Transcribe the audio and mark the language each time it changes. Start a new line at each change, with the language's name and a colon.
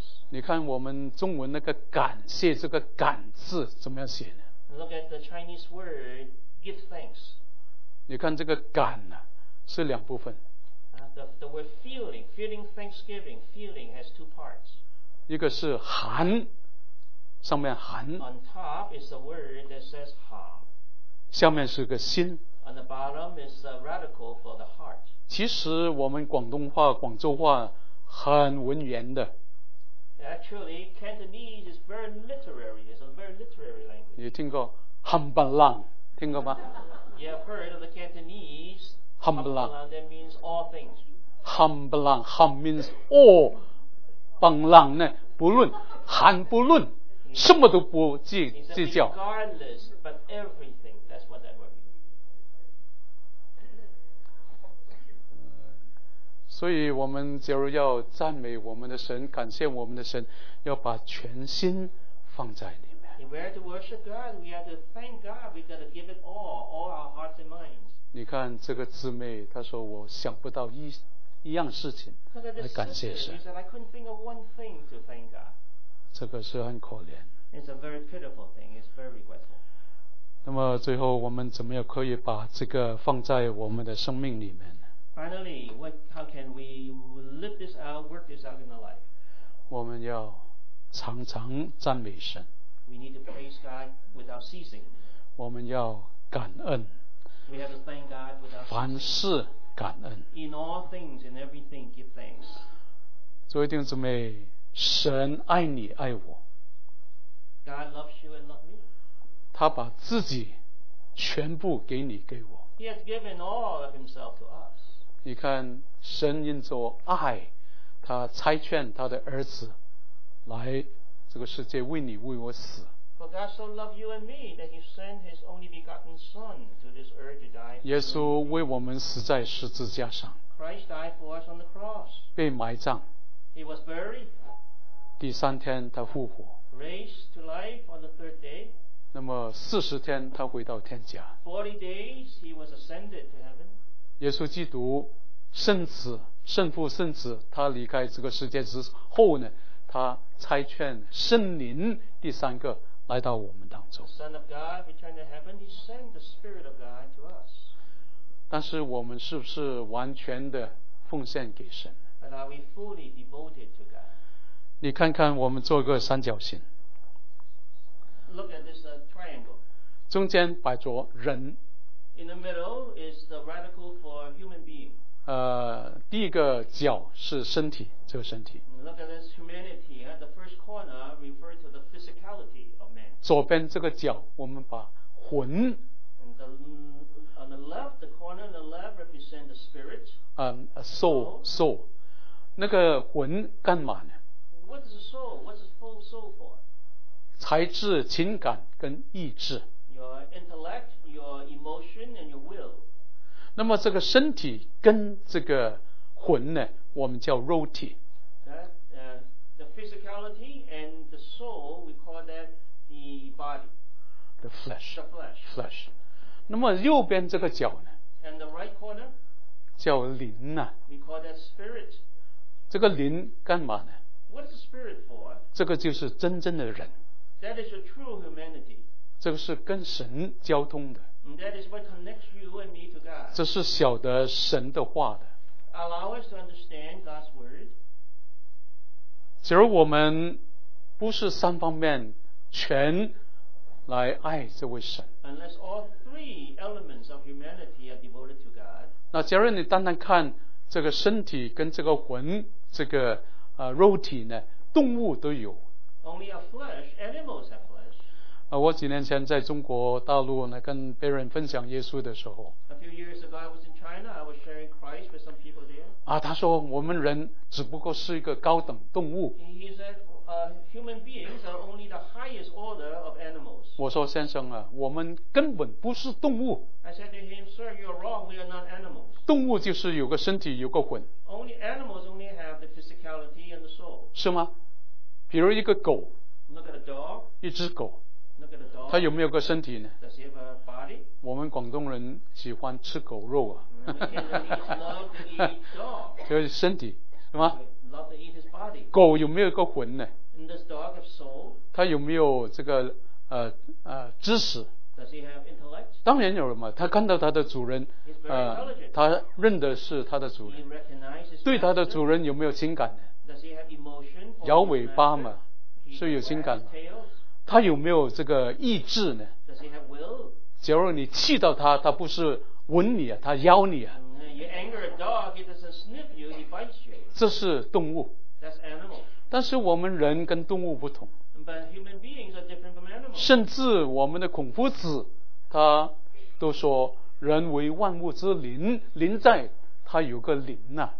Chinese: 你看我们中文那个感谢，这个感字怎么样写呢？
English: Look at the Chinese word, give thanks.
Chinese: 你看这个感呢，是两部分。
English: The word feeling, feeling thanksgiving, feeling has two parts.
Chinese: 一个是寒，上面寒。
English: On top is a word that says heart.
Chinese: 下面是个心。
English: On the bottom is a radical for the heart.
Chinese: 其实我们广东话、广州话很文言的。
English: Actually, Cantonese is very literary. It's a very literary language.
Chinese: 你听过很笨浪，听过吗？
English: You have heard of the Cantonese.
Chinese: 很笨浪
English: that means all things. 很笨浪 ，hum means all.
Chinese: 笨浪呢，不论，含不论，什么都不计较。
English: Regardless, but everything. That's what that word
Chinese: 所以我们假如要赞美我们的神，感谢我们的神，要把全心放在里面。
English: If we are to worship God, we have to thank God. We got to give it all our hearts and minds.
Chinese: 你看这个姊妹，她说我想不到一样事情来感谢神。
English: She said I couldn't think of one thing to thank God.
Chinese: 这个是很可怜。
English: It's a very pitiful thing. It's very regretful.
Chinese: 那么最后我们怎么样可以把这个放在我们的生命里面？
English: Finally, how can we live this out, work this out in our life?
Chinese: 我们要常常赞美神。
English: We need to praise God without ceasing.
Chinese: 我们要感恩。
English: We have to thank God without ceasing.
Chinese: 凡事感恩。
English: In all things, in everything, give thanks.
Chinese: 作为弟兄姊妹，神爱你爱我。
English: God loves you and loves me.
Chinese: 他把自己全部给你给我。
English: He has given all of himself to us.
Chinese: 你看神因着爱，他差遣他的儿子来这个世界为你为我死。
English: For God so loved you and me that he sent his only begotten son to this earth to die.
Chinese: 耶稣为我们死在十字架上。
English: Christ died for us on the cross.
Chinese: 被埋葬。
English: He was buried.
Chinese: 第三天他复活。
English: Raised to life on the third day.
Chinese: 那么四十天他回到天家。
English: 40 days he was ascended to heaven.
Chinese: 耶稣基督圣子圣父圣子他离开这个世界之后呢，他差遣圣灵第三个来到我们当中。
English: Son of God returned to heaven, he sent the Spirit of God to us.
Chinese: 但是我们是不是完全的奉献给神？
English: But are we fully devoted to God?
Chinese: 你看看我们做个三角形。
English: Look at this triangle.
Chinese: 中间摆着人。
English: In the middle is the radical for human being.
Chinese: 第一个角是身体，这个身体。
English: Look at this humanity. The first corner refers to the physicality.
Chinese: 左边这个角我们把魂
English: the, on the left, the corner on the left represent the spirit
Chinese: soul 那个魂干嘛呢？
English: What is the soul? What's the full soul for?
Chinese: 才智、情感跟意志
English: Your intellect, your emotion and your will.
Chinese: 那么这个身体跟这个魂呢，我们叫肉体
English: that, the physicality and the soul we call thatbody, the flesh, the flesh. flesh.
Chinese: 那么右边这个角呢？
English: And the right corner,
Chinese: 叫灵呢？
English: We call that spirit.
Chinese: 这个灵干嘛呢？
English: What is the spirit for?
Chinese: 这个就是真正的人。
English: That is your true humanity.
Chinese: 这个是跟神交通的。
English: That is what connects you and me to God.
Chinese: 这是晓得神的话的。
English: Allow us to understand God's word.
Chinese: 假如我们不是三方面全来爱这位神。
English: Unless all three elements of humanity are devoted to God.
Chinese: 那假如你单单看这个身体跟这个魂，这个肉体呢，动物都有。
English: Only a flesh, animals have flesh.
Chinese: 我几年前在中国大陆呢，跟别人分享耶稣的时候。
English: A few years ago, I was in China. I was sharing Christ with some people there.
Chinese: 他说我们人只不过是一个高等动物。
English: He said,human beings are only the highest order of animals.
Chinese: 我说先生啊，我们根本不是动物。
English: I said to him, sir, you're wrong. We are not animals.
Chinese: 动物就是有个身体，有个魂。
English: Only animals only have the physicality and the soul.
Chinese: 是吗？比如一个狗。
English: Look at a dog.
Chinese: 一只狗。
English: Look at a dog.
Chinese: 它有没有个身体呢？
English: Does he have a body?
Chinese: 我们广东人喜欢吃狗肉啊。
English: We love to eat dog.
Chinese: 就是身体，是吗？
English: Love to eat his body.
Chinese: 狗有没有一个魂呢？
English: Does dog have soul?
Chinese: 他有没有这个知识？
English: Does he have intellect?
Chinese: 当然有了嘛，他看到他的主人，他认得是他的主人。
English: He recognizes his
Chinese: 对他的主人有没有情感呢？
English: Does he have emotion?
Chinese: 摇尾巴嘛，是有情感。他有没有这个意志呢？
English: Does he have will?
Chinese: 假如你气到他，他不是吻你啊，他咬你啊。
English: You anger a dog, he doesn't sniff you, he bites you.
Chinese: 这是动物。
English: That's animal.
Chinese: 但是我们人跟动物不同。
English: But human beings are different from animals.
Chinese: 甚至我们的孔夫子他都说人为万物之灵，灵在他有个灵啊。